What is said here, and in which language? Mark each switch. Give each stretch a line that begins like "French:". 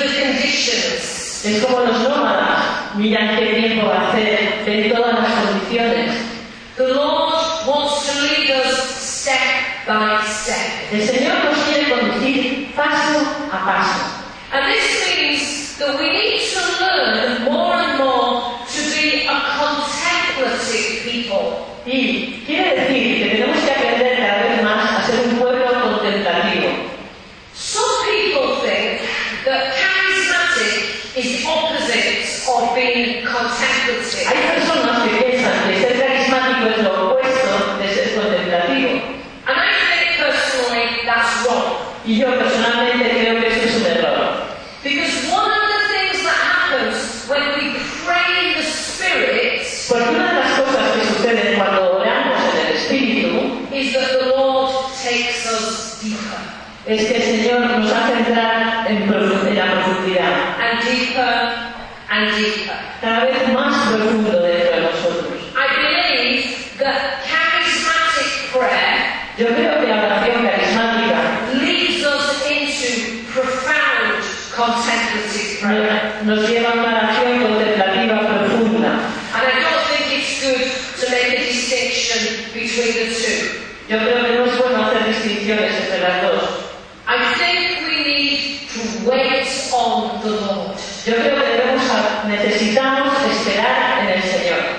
Spanish: Es como los nómadas, miran qué tiempo va a hacer, ven todas las condiciones.
English: The Lord wants to lead us step by step.
Spanish: El Señor nos quiere conducir paso a paso.
English: And this means that we need to learn more and more to be a contemplative people.
Spanish: Y quiere decir que tenemos que aprender cada vez más a ser un pueblo contemplativo.
English: Some people think that charismatic is the opposite of being contemplative.
Spanish: Hay personas que piensan que ser carismático es lo opuesto de ser contemplativo.
English: And I think personally that's wrong.
Spanish: Y yo personalmente creo que eso es un error.
English: Because one of the things that happens when we pray in the Spirit,
Spanish: porque una de las cosas que suceden cuando oramos en el Espíritu,
English: is that the Lord takes us deeper.
Spanish: Es que el Señor nos hace entrar en la profundidad.
English: And deeper and deeper.
Spanish: Cada vez más profundo dentro de nosotros.
English: I believe that charismatic prayer.
Spanish: Yo creo que la oración carismática
English: leads us into profound contemplative prayer.
Spanish: Nos lleva a una oración contemplativa profunda.
English: And I don't think it's good to make a distinction between the two.
Spanish: Yo creo que no es bueno hacer distinciones entre las dos.
English: I think we need to wait on the Lord.
Spanish: Yo creo que necesitamos esperar en el Señor.